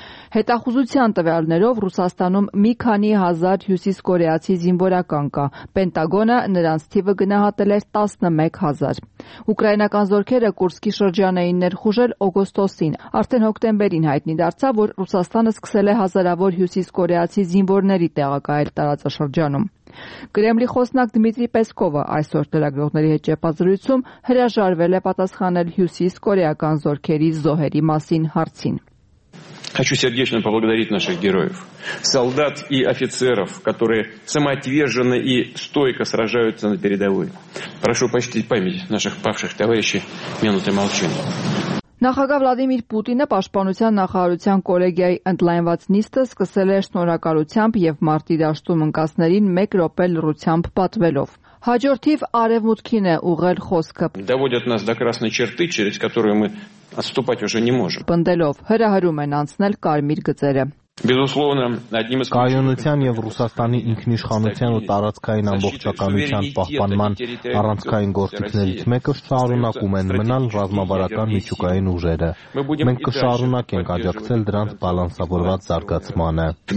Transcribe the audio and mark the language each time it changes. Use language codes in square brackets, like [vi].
[hy] Հետախուզության տվյալներով Ռուսաստանում մի քանի հազար հյուսիսկորեացի զինվորական կա, Պենտագոնը նրանց թիվը գնահատել էր 11,000։ Ուկրաինական զորքերը Կուրսկի շրջան էին ներխուժել օգոստոսին, արդեն հոկտեմբերին հայտնի դարձավ, որ Ռուսաստանը սկսել է հազարավոր հյուսիսկորեացի զինվորների տեղակայել տարածաշրջանում։ Կրեմլի խոսնակ Դմիտրի Պեսկովը այսօր լրագրողների հետ ճեպազրույցում հրաժարվել է պատասխանել հյուսիսկորեական զորքերի զոհերի մասին հարցին։ [ru] Хочу сердечно поблагодарить наших героев, солдат и офицеров, которые самоотверженно и стойко сражаются на передовой. Прошу почтить память наших павших товарищей минутой молчания. [hy] Նախագահ Վլադիմիր Պուտինը Պաշտպանության նախարարության կոլեգիայի ընդլայնված նիստը սկսել է շնորհակալությամբ և մարտիրաշտում ընկածներին 1 րոպե լռությամբ պատվելով։ Հաջորդիվ արևմուտքին է ուղղել խոսքը. [ru] Доводят нас до красной черты, через которую мы отступать уже не можем. [hy] Պնդելով, հրահրում են անցնել կարմիր գծերը։ [ru] Безусловно, одним из [hy] Կայունության եւ Ռուսաստանի ինքնիշխանության ու տարածքային ամբողջականության պահպանման առանցքային գործիքներից մեկը շարունակում են մնալ ռազմավարական միջուկային ուժերը։ Մենք կշարունակենք աջակցել դրանց բալանսավորված զարգացմանը։